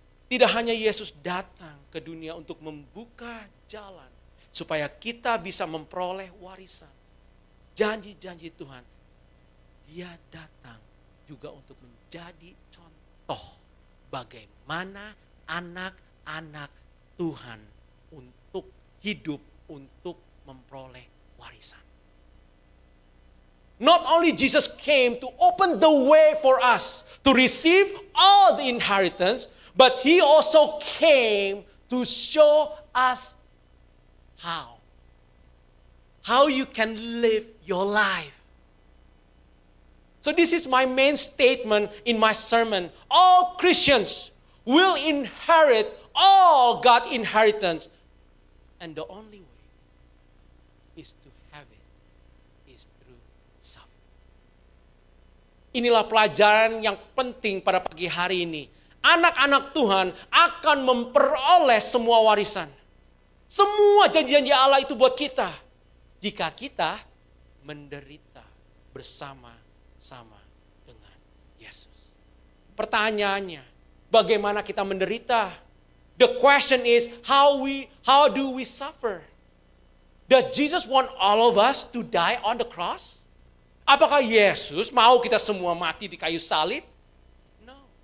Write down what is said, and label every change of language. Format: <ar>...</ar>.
<id>Tidak hanya Yesus datang ke dunia untuk membuka jalan supaya kita bisa memperoleh warisan janji-janji Tuhan. Dia datang juga untuk menjadi contoh bagaimana anak-anak Tuhan untuk hidup untuk memperoleh warisan.</id> <en>Not only Jesus came to open the way for us to receive all the inheritance, but he also came to show us how you can live your life. So this is my main statement in my sermon. All Christians will inherit all God's inheritance. And the only way is to have it is through suffering.</en> <id>Inilah pelajaran yang penting pada pagi hari ini. Anak-anak Tuhan akan memperoleh semua warisan. Semua janji-janji Allah itu buat kita. Jika kita menderita bersama-sama dengan Yesus. Pertanyaannya, bagaimana kita menderita?</id> <en>The question is, how do we suffer? Does Jesus want all of us to die on the cross?</en> <id>Apakah Yesus mau kita semua mati di kayu salib?</id> <en>No.</en>